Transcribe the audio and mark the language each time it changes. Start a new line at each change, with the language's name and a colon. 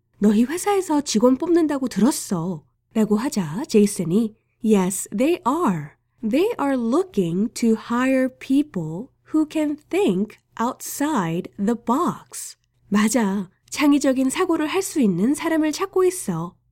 Korean: 너희 회사에서 직원 뽑는다고 들었어. 라고 하자 제이슨이
English: Yes, they are. They are looking to hire people who can think outside the box.
Korean: 맞아, 창의적인 사고를 할 수 있는 사람을 찾고 있어.